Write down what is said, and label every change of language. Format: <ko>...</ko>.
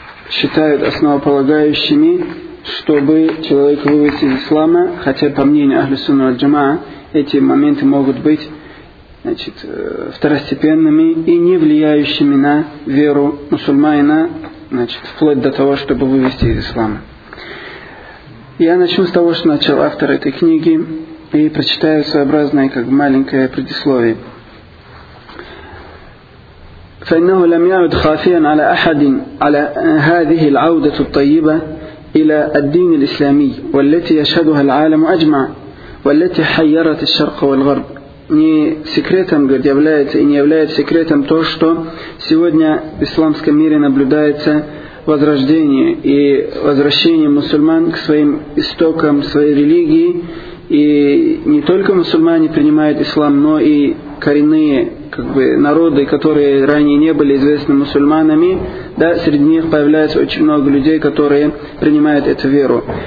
<ru>считают основополагающими, чтобы человек вывести из ислама, хотя по мнению Ахли Сунна валь-Джамаа эти моменты могут быть, значит, второстепенными и не влияющими на веру мусульманина, значит, вплоть до того, чтобы вывести из ислама. Я начну с того, что начал автор этой книги, и прочитаю своеобразное, как маленькое предисловие.</ru> <ar>فإنه لم يعد خافيا على أحد على هذه العودة الطيبة إلى الدين الإسلامي والتي يشهدها العالم أجمع والتي حيرت الشرق والغرب.</ar> <ru>Не секретом, говорит, является и не является секретом то, что сегодня в исламском мире наблюдается возрождение и возвращение мусульман к своим истокам, своей религии. И не только мусульмане принимают ислам, но и коренные, как бы, народы, которые ранее не были известны мусульманами, да, среди них появляется очень много людей, которые принимают эту веру.</ru>